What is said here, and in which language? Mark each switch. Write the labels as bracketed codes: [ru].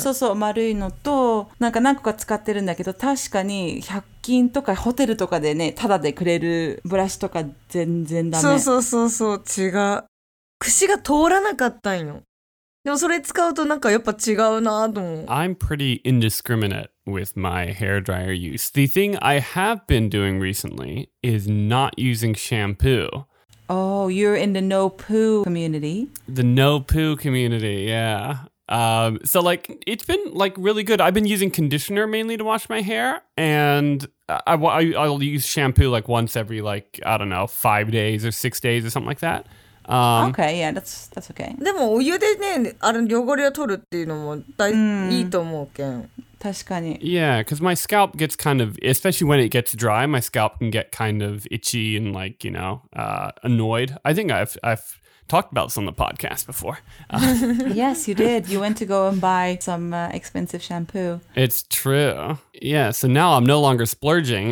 [ja] そうそう丸いのと、なんか何個か使ってるんだけど、確かに100金とかホテルとかでね、タダでくれるブラシとか全然ダメ。そう違う。櫛が通らなかったんよ。でもそれ使うとなんかやっぱ違うなと思う。 [en] I'm pretty indiscriminate with my hair dryer use. The thing I have been doing recently is not using shampoo. Oh, you're in the no poo community. The no poo community, yeah. So like, it's been like really good. I've been using conditioner mainly to wash my hair, and I'll use shampoo like once every like, I don't know, 5 days or 6 days or something like that. Okay, yeah, that's okay. [ja] でもお湯でね、あれ汚れを取るっていうのも大、いいと思うけん。確かに。 [en] Yeah, because my scalp gets kind of, especially when it gets dry, my scalp can get kind of itchy and like, you know, annoyed. I think I've talked about this on the podcast before. Yes, you did. You went to go and buy some expensive shampoo. It's true. Yeah, so now I'm no longer splurging.